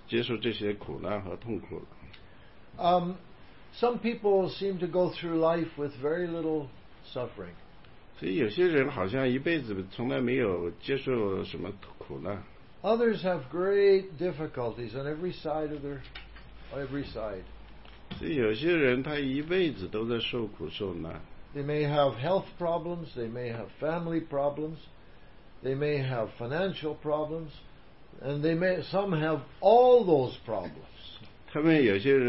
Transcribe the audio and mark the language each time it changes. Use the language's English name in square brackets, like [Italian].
[Chinese] 就是这个是同样是一个谜，为什么我们要接受这些苦难和痛苦？ [English] Some people seem to go through life with very little suffering. [Chinese] 所以有些人好像一辈子从来没有接受什么苦难。 [English] Others have great difficulties on every side of their every side. [Chinese] 所以有些人他一辈子都在受苦受难。 [English] They may have health problems, they may have family problems, they may have financial problems, and they may some have all those problems.